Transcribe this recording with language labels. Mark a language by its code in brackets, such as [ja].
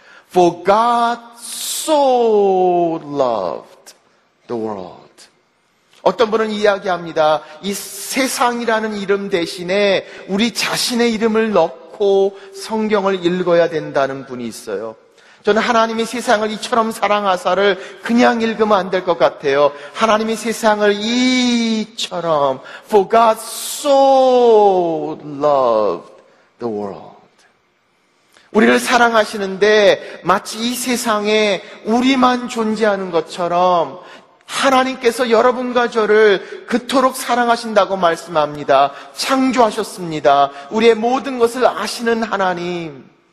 [en] For God so loved the world. [ko] 어떤 분은 이야기합니다. 이 세상이라는 이름 대신에 우리 자신의 이름을 넣고 성경을 읽어야 된다는 분이 있어요. 저는 하나님이 세상을 이처럼 사랑하사를 그냥 읽으면 안 될 것 같아요. 하나님이 세상을 이처럼, [en] For God so loved the world. [ko] 우리를 사랑하시는데 마치 이 세상에 우리만 존재하는 것처럼 하나님께서 여러분과 저를 그토록 사랑하신다고 말씀합니다. 창조하셨습니다. 우리의 모든 것을 아시는 하나님.